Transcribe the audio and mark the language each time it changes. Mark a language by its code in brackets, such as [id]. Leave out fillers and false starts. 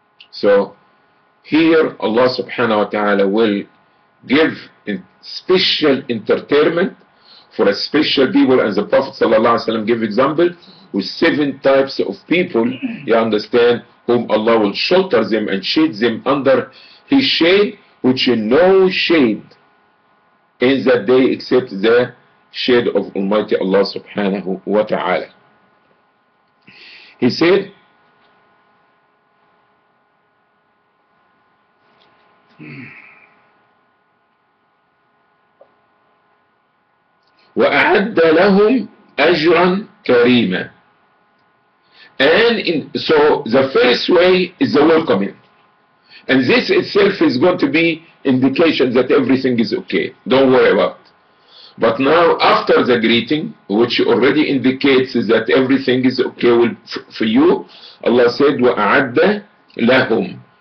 [en] So here Allah subhanahu wa ta'ala will give special entertainment for a special people, and the Prophet sallallahu alaihi wasallam gave example with seven types of people, you understand, whom Allah will shelter them and shade them under His shade, which is no shade in that day except the shade of Almighty Allah subhanahu wa ta'ala. He said, [ar] وَأَعَدَّ لَهُمْ أَجْرًا كَرِيمًا. [en] And so the first way is the welcoming. And this itself is going to be indication that everything is okay. Don't worry about it. But now after the greeting, which already indicates that everything is okay for you, Allah said, [ar] وَأَعَدَّ لَهُمْ.